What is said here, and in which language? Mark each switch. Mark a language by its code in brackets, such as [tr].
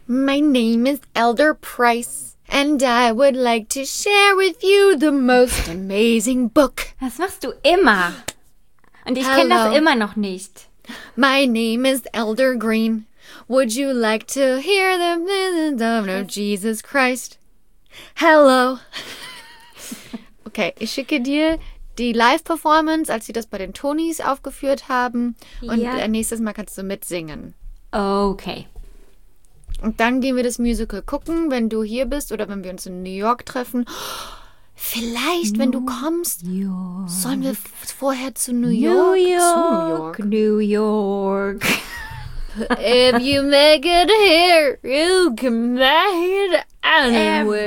[en] My name is Elder Price, and I would like to share with you the most amazing book. [de] Das machst du immer. Und ich kenne das immer noch nicht. [en] My name is Elder Green. Would you like to hear the message of Jesus Christ? Hello. [de] Okay, ich schicke dir die Live-Performance, als sie das bei den Tonys aufgeführt haben. Und ja. Nächstes Mal kannst du mitsingen. Okay. Und dann gehen wir das Musical gucken, wenn du hier bist oder wenn wir uns in New York treffen. Vielleicht, wenn du kommst, sollen wir vorher zu New York. [en] New York. If you make it here, you can make it anywhere.